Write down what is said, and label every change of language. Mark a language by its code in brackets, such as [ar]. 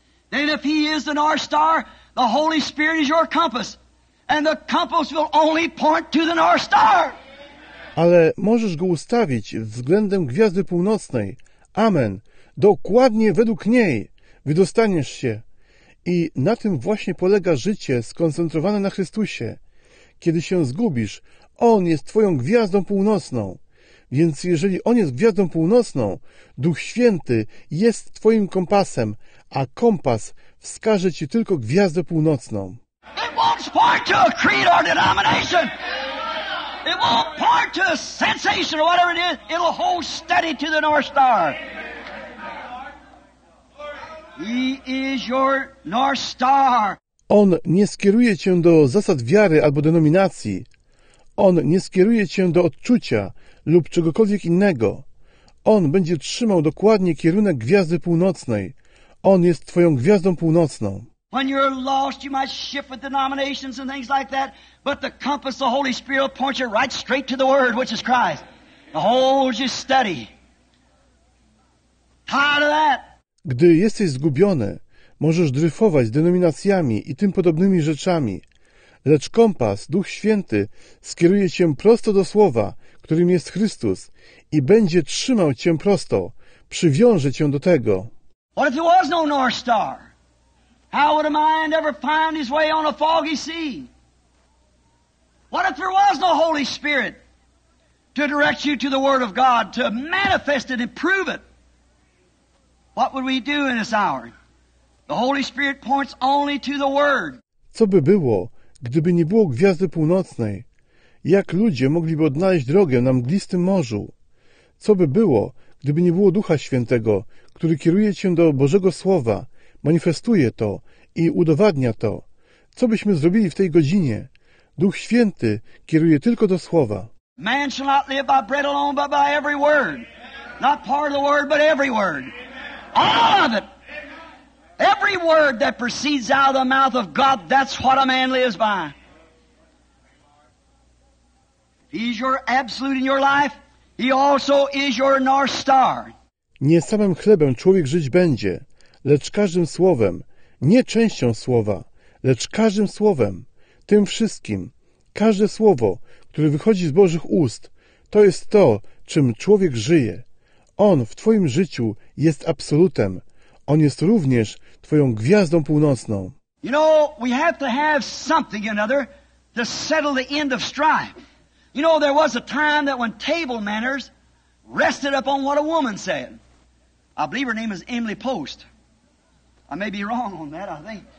[en] Then if he is the North Star, the Holy Spirit is your compass. And the compass will only point to the North Star. [pl] Ale możesz go ustawić względem gwiazdy północnej. Amen. Dokładnie według niej wydostaniesz się. I na tym właśnie polega życie skoncentrowane na Chrystusie. Kiedy się zgubisz, on jest twoją gwiazdą północną. Więc jeżeli on jest gwiazdą północną, Duch Święty jest twoim kompasem, a kompas wskaże ci tylko gwiazdę północną. [en] It won't point to a creed or denomination. It won't point to a sensation or whatever it is. It'll hold steady to the North Star. He is your North Star. [pl] On nie skieruje cię do zasad wiary albo denominacji. On nie skieruje cię do odczucia lub czegokolwiek innego. On będzie trzymał dokładnie kierunek Gwiazdy Północnej. On jest twoją Gwiazdą Północną. [en] When you're lost, you might shift with denominations and things like that, but the compass of the Holy Spirit points you right straight to the Word, which is Christ. The whole you study. Tired of that. [pl] Gdy jesteś zgubiony, możesz dryfować denominacjami i tym podobnymi rzeczami, lecz kompas, Duch Święty, skieruje cię prosto do Słowa, którym jest Chrystus, i będzie trzymał cię prosto, przywiąże cię do tego. [en] What if there was no North Star? How would a mind ever find his way on a foggy sea? What if there was no Holy Spirit to direct you to the Word of God, to manifest it and prove it? What would we do in this hour? The Holy Spirit points only to the Word. [pl] Co by było, gdyby nie było Gwiazdy Północnej? Jak ludzie mogliby odnaleźć drogę na mglistym morzu? Co by było, gdyby nie było Ducha Świętego, który kieruje cię do Bożego Słowa, manifestuje to i udowadnia to? Co byśmy zrobili w tej godzinie? Duch Święty kieruje tylko do Słowa. [en] Man shall not live by bread alone, but by every word. Not part of the word, but every word. All of it. Every word that proceeds out of the mouth of God, that's what a man lives by. He's your absolute in your life. He also is your North Star. [pl] Nie samym chlebem człowiek żyć będzie, lecz każdym słowem, nie częścią słowa, lecz każdym słowem, tym wszystkim, każde słowo, które wychodzi z Bożych ust, to jest to, czym człowiek żyje. On w twoim życiu jest absolutem. On jest również twoją Gwiazdą Północną. [en] You know, we have to have something another to settle the end of strife. You know, there was a time that when table manners rested upon what a woman said. I believe her name is Emily Post. I may be wrong on that, I think.